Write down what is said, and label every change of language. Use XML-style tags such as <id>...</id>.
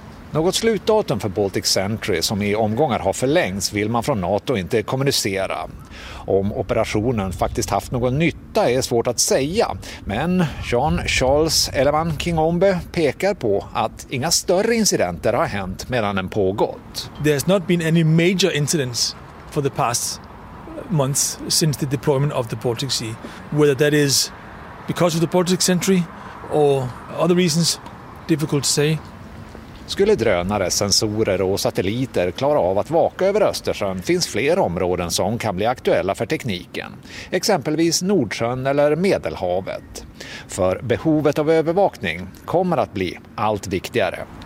<sv>Något slutdatum för Baltic Sentry som i omgångar har förlängts vill man från NATO inte kommunicera. Om operationen faktiskt haft någon nytta är svårt att säga, men Jean-Charles Ellerman-Kingombe pekar på att inga större incidenter har hänt medan den pågått.</sv> <en>There's not been any major incidents for the past months since the deployment of the Baltic Sea. Whether that is because of the Baltic Sentry or other reasons, difficult to say.</en> <sv>Skulle drönare, sensorer och satelliter klara av att vaka över Östersjön finns fler områden som kan bli aktuella för tekniken. Exempelvis Nordsjön eller Medelhavet. För behovet av övervakning kommer att bli allt viktigare.</sv>